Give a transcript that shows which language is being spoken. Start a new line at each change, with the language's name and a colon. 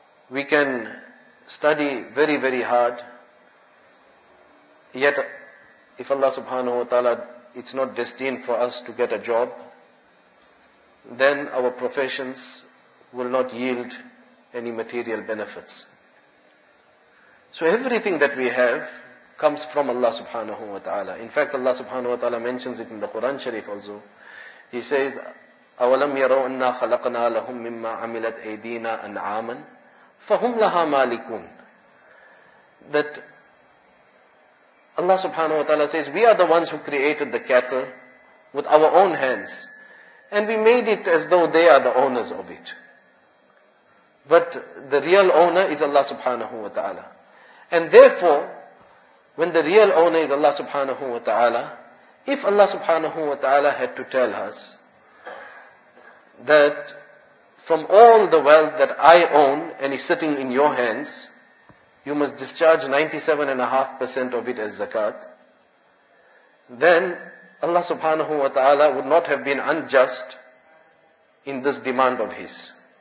English: We can study very, very hard, yet if Allah subhanahu wa ta'ala, it's not destined for us to get a job, then our professions will not yield any material benefits. So everything that we have comes from Allah subhanahu wa ta'ala. In fact, Allah subhanahu wa ta'ala mentions it in the Quran Sharif also. He says,
Arabic: أَوَلَمْ يَرَوْا أَنَّا خَلَقْنَا لَهُمْ مِمَّا عَمِلَتْ أَيْدِينَا أَنْعَامًا فَهُمْ لَهَا مَالِكُونَ.
English: That Allah subhanahu wa ta'ala says, we are the ones who created the cattle with our own hands, and we made it as though they are the owners of it. But the real owner is Allah subhanahu wa ta'ala. And therefore, when the real owner is Allah subhanahu wa ta'ala, if Allah subhanahu wa ta'ala had to tell us that from all the wealth that I own and is sitting in your hands, you must discharge 97.5% of it as zakat, then Allah subhanahu wa ta'ala would not have been unjust in this demand of his.